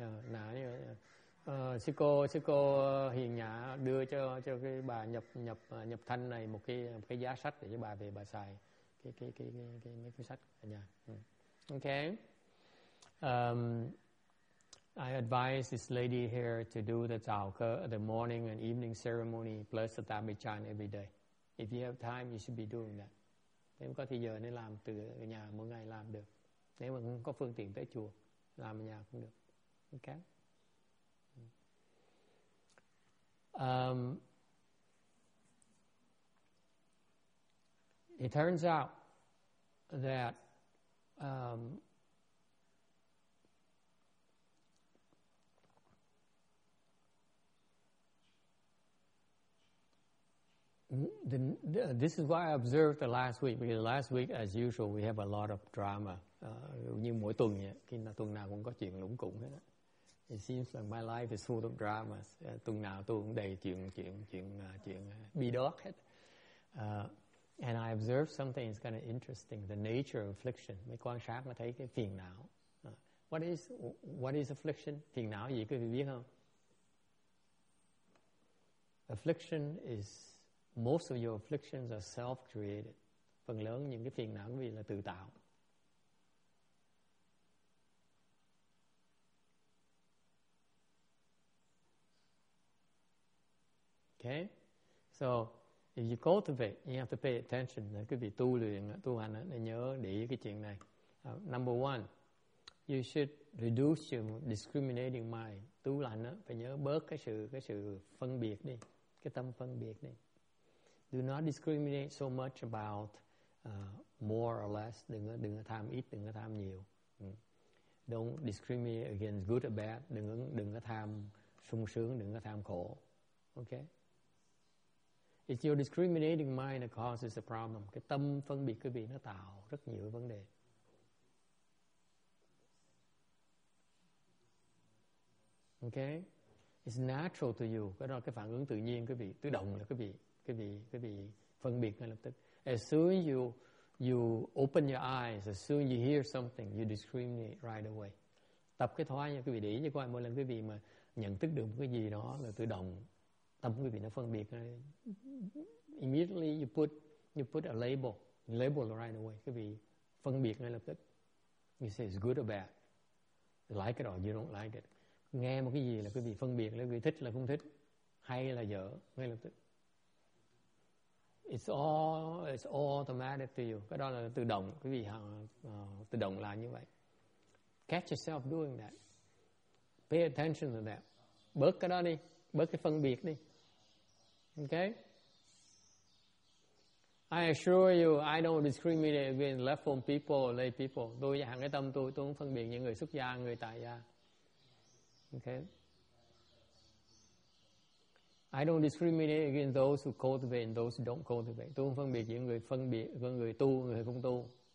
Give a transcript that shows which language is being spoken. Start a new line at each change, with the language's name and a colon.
English: 拿那个，这个行雅丢叫给把入坛来某个压杀给把被把塞，给那个杀给呀，Okay. I advise this lady here to do the zaoke, the morning and evening ceremony, plus the dhammichan every day. If you have time, you should be doing that.
Vietnamese: Nếu có thời giờ nên làm từ nhà mỗi ngày làm được. Nếu mà không có phương tiện tới chùa, làm ở nhà cũng được.
English: Okay. It turns out that this is what I observed the last week. Because last week, as usual, we have a lot of drama.
Vietnamese: Như mỗi tuần vậy, khi nào tuần nào cũng có chuyện lủng củng hết.
English: It seems like my life is full of dramas.
Vietnamese: Tuần nào tôi cũng đầy chuyện bi đót hết.
English: And I observed something that's kind of interesting, the nature of affliction.
Vietnamese: Mấy quan sát mà thấy cái phiền não.
English: What is affliction?
Vietnamese: Phiền não gì, quý vị biết không?
English: Affliction is, most of your afflictions are self-created.
Vietnamese: Phần lớn những cái phiền não quý vị là tự tạo.
English: Okay? So, if you cultivate, you have to pay attention. That could be
Vietnamese: tu luyện, tu hành, để nhớ để ý cái chuyện này.
English: Number one, you should reduce your discriminating mind.
Vietnamese: Tu lành, phải nhớ bớt cái sự phân biệt đi, cái tâm phân biệt đi.
English: Do not discriminate so much about more or less.
Vietnamese: Đừng có tham ít, đừng có tham nhiều.
English: Don't discriminate against good or bad.
Vietnamese: Đừng có tham sung sướng, đừng có tham khổ.
English: Okay? It's your discriminating mind that causes the problem.
Vietnamese: Cái tâm phân biệt quý vị nó tạo rất nhiều vấn đề.
English: Okay? It's natural to you.
Vietnamese: Cái đó là cái phản ứng tự nhiên quý vị, tự động là quý vị phân biệt ngay lập tức.
English: As soon as you open your eyes, as soon as you hear something, you discriminate right away.
Vietnamese: Tập cái thói nha, quý vị để ý như coi mỗi lần quý vị mà nhận thức được một cái gì đó là tự động. Tâm quý vị nó phân biệt.
English: Immediately you put a label right away.
Vietnamese: Quý vị phân biệt ngay lập tức.
English: You say it's good or bad. You like it or you don't like it.
Vietnamese: Nghe một cái gì là quý vị phân biệt. Quý vị thích là không thích. Hay là dở. Ngay lập tức.
English: It's all automatic to you.
Vietnamese: Cái đó là tự động. Quý vị tự động là như vậy.
English: Catch yourself doing that. Pay attention to that.
Vietnamese: Bớt cái đó đi. Bớt cái phân biệt đi. Okay.
English: I assure you, I don't discriminate against left-form people, lay people.
Vietnamese: Tôi dạng cái tâm tôi không phân biệt những người xuất gia, người tại gia.
English: Okay. I don't discriminate against those who cultivate and those who don't cultivate.
Vietnamese: Tôi không phân biệt với người tu, người không tu.